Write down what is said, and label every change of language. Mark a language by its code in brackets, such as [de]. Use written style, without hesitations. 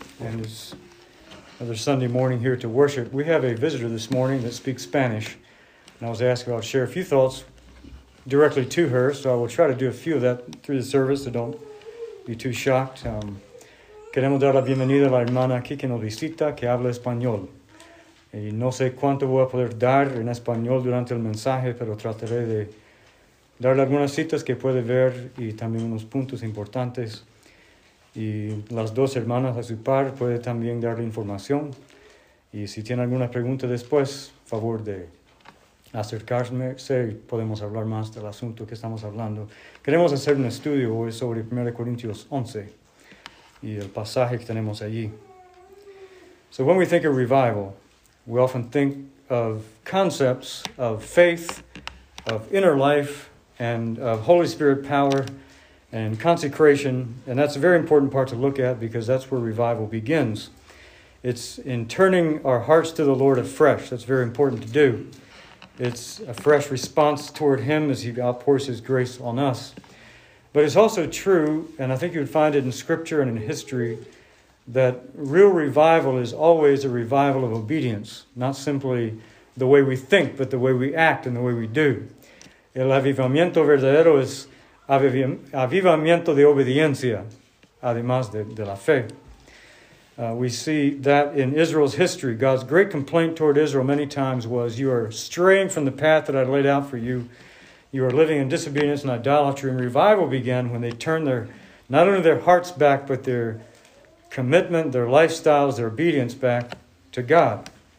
[en] And it's another Sunday morning here to worship. We have a visitor this morning that speaks Spanish. And I was asked if I would share a few thoughts directly to her. So I will try to do a few of that through the service, so don't be too shocked. [es] Queremos dar la bienvenida a la hermana Kiki Novicita, que habla español. Y no sé cuánto voy a poder dar en español durante el mensaje, pero trataré de darle algunas citas que puede ver y también unos puntos importantes. Y las dos hermanas a su par puede también darle información. Y si tiene alguna pregunta después, favor de acercarse y podemos hablar más del asunto que estamos hablando. Queremos hacer un estudio hoy sobre 1 Corintios 11 y el pasaje que tenemos allí. [en] So when we think of revival, we often think of concepts of faith, of inner life, and of Holy Spirit power and consecration. And that's a very important part to look at because that's where revival begins. It's in turning our hearts to the Lord afresh. That's very important to do. It's a fresh response toward Him as He outpours His grace on us. But it's also true, and I think you would find it in Scripture and in history, that real revival is always a revival of obedience, not simply the way we think, but the way we act and the way we do. [es] El avivamiento verdadero es avivamiento de obediencia, además de la fe. [en] We see that in Israel's history. God's great complaint toward Israel many times was, you are straying from the path that I laid out for you. You are living in disobedience and idolatry. And revival began when they turned their, not only their hearts back, but their commitment, their lifestyles, their obedience back to God.